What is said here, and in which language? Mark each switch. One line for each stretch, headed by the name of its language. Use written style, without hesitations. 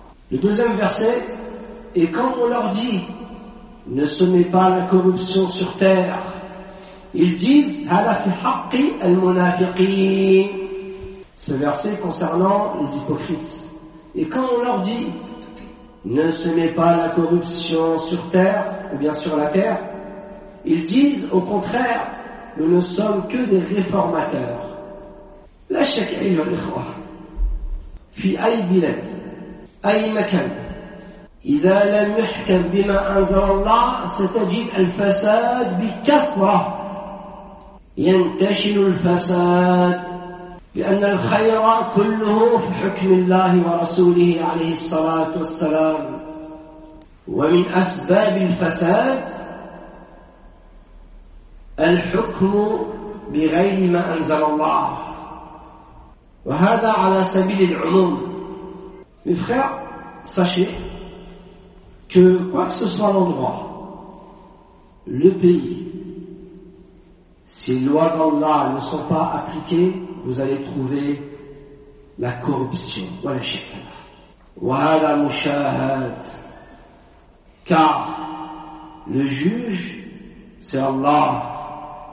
French: Le deuxième verset, et quand on leur dit, ne semez pas la corruption sur terre, ils disent
Arabic: هذا في حق المنافقين.
French: Ce verset concernant les hypocrites. Et quand on leur dit ne semez pas la corruption sur terre ou bien sur la terre, ils disent au contraire nous ne sommes que des réformateurs.
Arabic: لا شك أيها الإخوة في أي بلاد أي مكان إذا لم يحكم بما أنزل الله ستجد الفساد بكثرة. ينتشر الفساد لأن الخير كله في حكم الله ورسوله عليه الصلاة والسلام. ومن أسباب الفساد الحكم بغير ما أنزل الله، وهذا على سبيل العموم.
French: Mes frères, sachez que quoi que ce soit l'endroit, le pays, si les lois d'Allah ne sont pas appliquées, vous allez trouver la corruption. Voilà, chef. Voilà, mushahad. Car le juge, c'est Allah.